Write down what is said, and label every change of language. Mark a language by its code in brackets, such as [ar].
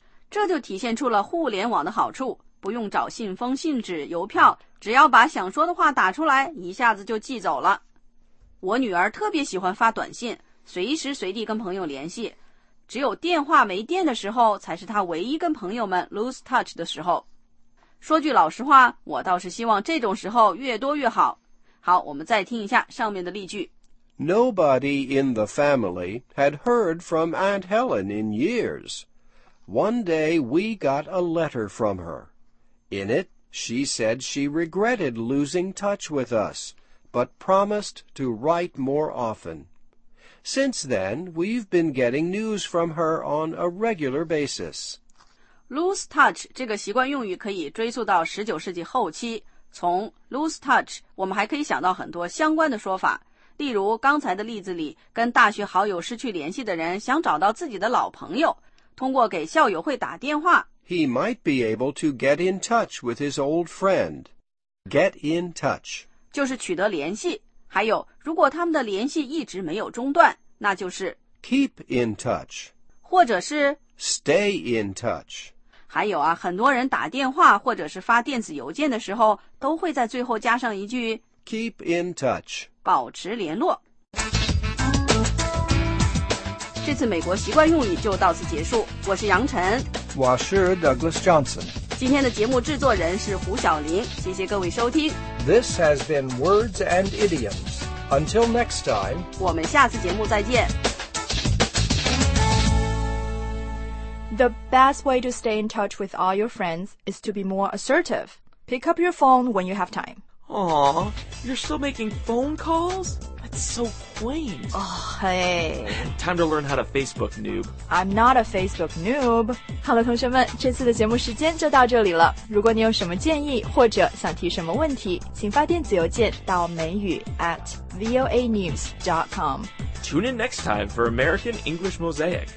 [zh] 这就体现出了互联网的好处，不用找信封、信纸、邮票，只要把想说的话打出来，一下子就寄走了。我女儿特别喜欢发短信，随时随地跟朋友联系，只有电话没电的时候才是她唯一跟朋友们 [en] lose touch [zh] 的时候。说句老实话，我倒是希望这种时候越多越好。好，我们再听一下上面的例句。 [en] Nobody in the family had heard from Aunt Helen in years. One day we got a letter from her. In it, she said she regretted losing touch with us, but promised to write more often. Since then, we've been getting news from her on a regular basis. Lose touch [zh] 这个习惯用语可以追溯到19世纪后期。从 [en] lose touch, [zh] 我们还可以想到很多相关的说法。例如刚才的例子里，跟大学好友失去联系的人想找到自己的老朋友，通过给校友会打电话。 [en] He might be able to get in touch with his old friend. Get in touch. [zh] 就是取得联系。还有，如果他们的联系一直没有中断，那就是 [en] Keep in touch. [zh] 或者是 [en] Stay in touch. [zh] 还有啊，很多人打电话或者是发电子邮件的时候，都会在最后加上一句 [en] Keep in touch. [zh] 保持联络。这次美国习惯用语就到此结束。我是杨晨。我是 Douglas Johnson。今天的节目制作人是胡晓林。谢谢各位收听。 [en] This has been Words and Idioms. Until next time. [zh] 我们下次节目再见。 [en] The best way to stay in touch with all your friends is to be more assertive. Pick up your phone when you have time. Aw, you're still making phone calls? I It's so quaint. Oh, hey. Time to learn how to Facebook noob. I'm not a Facebook noob. [zh] 好了，同学们，这次的节目时间就到这里了。如果你有什么建议或者想提什么问题，请发电子邮件到美语@voanews.com. [en] Tune in next time for American English Mosaic.